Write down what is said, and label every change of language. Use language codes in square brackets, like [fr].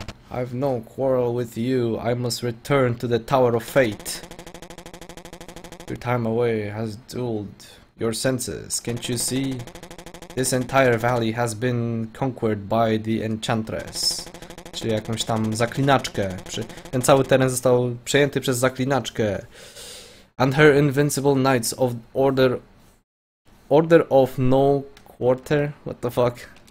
[en] I've no quarrel with you. I must return to the Tower of Fate. Your time away has dulled your senses. Can't you see? This entire valley has been conquered by the Enchantress. [pl] Czyli jakąś tam zaklinaczkę. Ten cały teren został przejęty przez zaklinaczkę. [en] And her invincible knights of order... Order of no quarter? What the fuck?